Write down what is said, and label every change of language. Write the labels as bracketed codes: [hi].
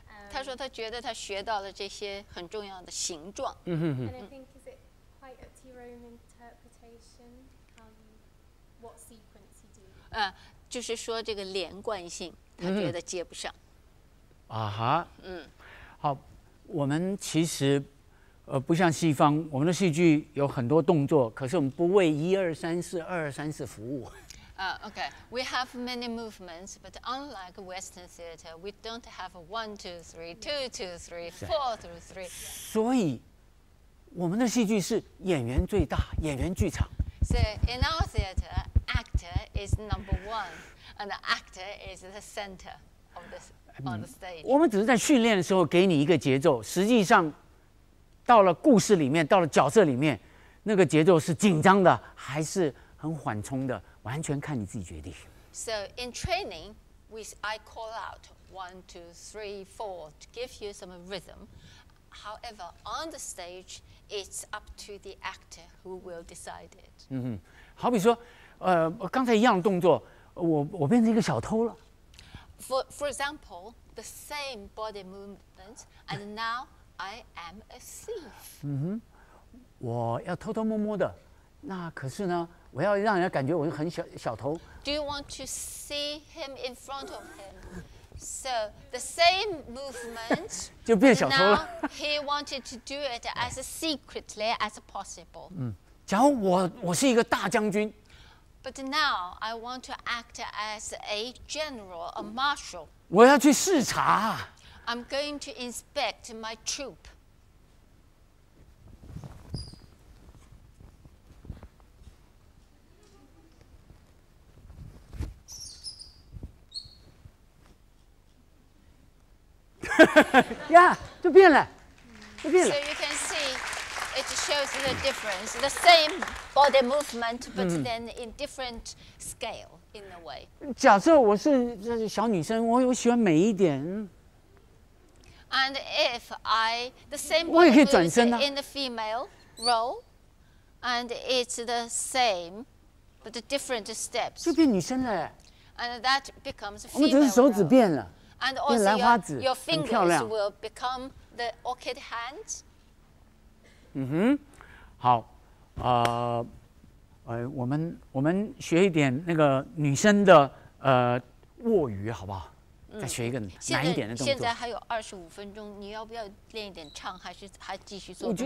[zh] 他说他觉得他学到了这些很重要的形状。 [en] And I think is it quite up to your own interpretation what sequence you do? [zh] 就是说这个连贯性，他觉得接不上。啊哈。好，我们其实，不像西方，我们的戏剧有很多动作，可是我们不为一二三四二三四服务。 [en] Okay, we have many movements, but unlike Western theater, we don't have a 1, 2, 3, 2, 2, 3, 4, 3. [zh] 所以我们的戏剧是演员最大，演员剧场。 [en] So in our theater, actor is number one, and the actor is the center of the on the stage. [zh] 我们只是在训练的时候给你一个节奏，实际上到了故事里面，到了角色里面，那个节奏是紧张的，还是很缓冲的？完全看你自己决定。 [en] So in training, I call out 1, 2, 3, 4 to give you some rhythm. However, on the stage, it's up to the actor who will decide it. [zh] 嗯哼，好比说，刚才一样动作，我变成一个小偷了。 [en] For example, the same body movement, and now I am a thief. [zh] 嗯哼，我要偷偷摸摸的，那可是呢？我要让人家感觉我很小偷。 [en] Do you want to see him in front of him? So the same movement. [zh] 就变小偷了。 [en] Now he wanted to do it as secretly as possible. [zh] 嗯，假如我是一个大将军。 [en] But now I want to act as a general, a marshal. [zh] 我要去视察。 [en] I'm going to inspect my troop. [zh] yeah, 就变了，就变了。 [en] So you can see, it shows the difference. The same body movement, but then in different scale, in a way. [zh] 假设我是小女生，我喜欢美一点。 [en] And if I the same body movement in the female role, and it's the same, but the different steps. [zh] 就变女生了。 [en] And that becomes female. [zh] 我们只是手指变了。 [en] And also your fingers will become the orchid hands. [zh] 嗯哼，好，我们学一点那个女生的握鱼好不好？再学一个难一点的动作。现在还有25分钟，你要不要练一点唱，还继续做动作？